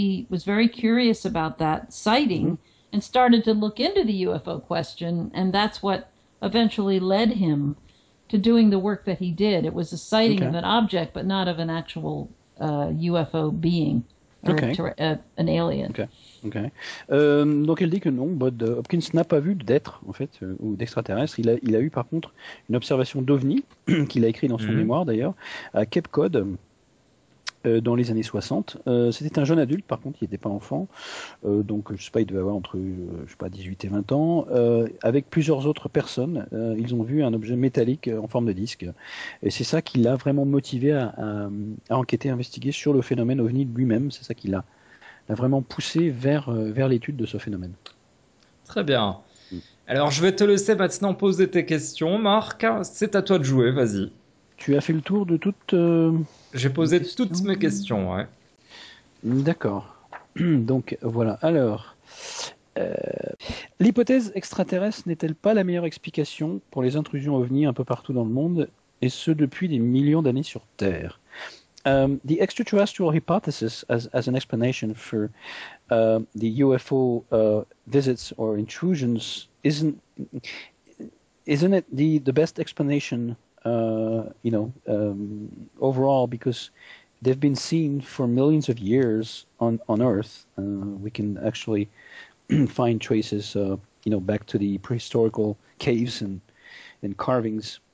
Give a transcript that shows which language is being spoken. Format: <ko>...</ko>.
<en>He was very curious about that sighting and started to look into the UFO question, and that's what eventually led him to doing the work that he did. It was a sighting of an object, but not of an actual UFO being.</en> <fr>Un alien. Donc elle dit que non, Bud Hopkins n'a pas vu d'être, en fait, ou d'extraterrestre. Il a eu par contre une observation d'OVNI, qu'il a écrit dans son mémoire d'ailleurs, à Cape Cod, dans les années 60. C'était un jeune adulte, par contre, il n'était pas enfant. Donc je ne sais pas, il devait avoir entre je sais pas, 18 et 20 ans. Avec plusieurs autres personnes, ils ont vu un objet métallique en forme de disque. Et c'est ça qui l'a vraiment motivé à enquêter, à investiguer sur le phénomène OVNI lui-même. C'est ça qui l'a vraiment poussé vers l'étude de ce phénomène. Très bien. Alors je vais te laisser maintenant poser tes questions, Marc. C'est à toi de jouer, vas-y. Tu as fait le tour de toutes. J'ai posé toutes mes questions, ouais. D'accord. Donc, voilà. Alors, l'hypothèse extraterrestre n'est-elle pas la meilleure explication pour les intrusions OVNI un peu partout dans le monde, et ce depuis des millions d'années sur Terre?</fr> <en>The extraterrestrial hypothesis as an explanation for the UFO visits or intrusions, isn't it the best explanation? Overall, because they've been seen for millions of years on Earth, we can actually find traces, back to the prehistorical caves and carvings.</en>